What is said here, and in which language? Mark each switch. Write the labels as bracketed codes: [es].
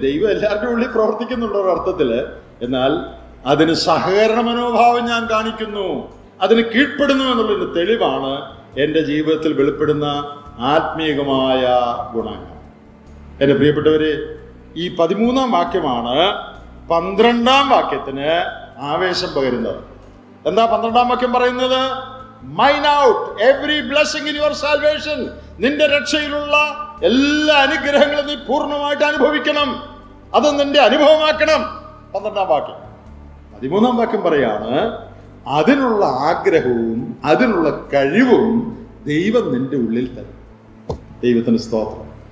[ml] ദൈവം എല്ലാവരുടെയും ഉള്ളിൽ പ്രവർത്തിക്കുന്നുണ്ട് ഒരർത്ഥത്തിൽ. എന്നാൽ അതിന് സഹകരണ മനോഭാവം ഞാൻ കാണിക്കുന്നു, അതിന് കീഴ്പ്പെടുന്നു എന്നുള്ളതിൻ്റെ തെളിവാണ് എൻ്റെ ജീവിതത്തിൽ വെളിപ്പെടുന്ന ആത്മീയമായ ഗുണങ്ങൾ. എൻ്റെ പ്രിയപ്പെട്ടവരെ, ഈ 13-ാം വാക്യമാണ് 12-ാം വാക്യത്തിന് ആവേശം പകരുന്നത്. എന്താ 12-ാം വാക്യം പറയുന്നത്? [en] Mine out every blessing in your salvation. [ml] നിന്റെ രക്ഷയിലുള്ള എല്ലാ അനുഗ്രഹങ്ങളും നീ പൂർണ്ണമായിട്ട് അനുഭവിക്കണം, അത് നിന്റെ അനുഭവമാക്കണം. 12-ാം വാക്യം. 13-ാം വാക്യം പറയാണ്, അതിനുള്ള ആഗ്രഹവും അതിനുള്ള കഴിവും ദൈവം നിന്റെ ഉള്ളിൽ തരും. ദൈവത്തിന് സ്തോത്രം.